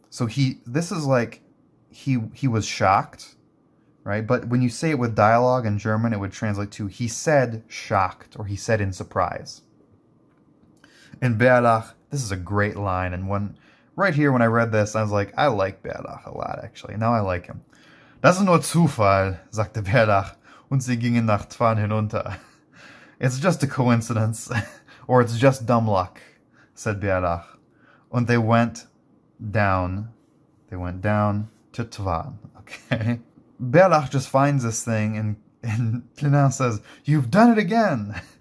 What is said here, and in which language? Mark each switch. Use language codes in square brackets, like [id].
[en] So this is like, he was shocked, right? But when you say it with dialogue in German, it would translate to he said shocked or he said in surprise. And Bärlach, this is a great line. And when right here, when I read this, I was like, I like Bärlach a lot, actually. Now I like him. [de] Das ist nur Zufall, sagte Bärlach, und sie gingen nach Twan hinunter. [en] It's just a coincidence, or it's just dumb luck, said Bärlach. And they went down. They went down to Twan. Okay. Bärlach just finds this thing, and Klinau says, you've done it again.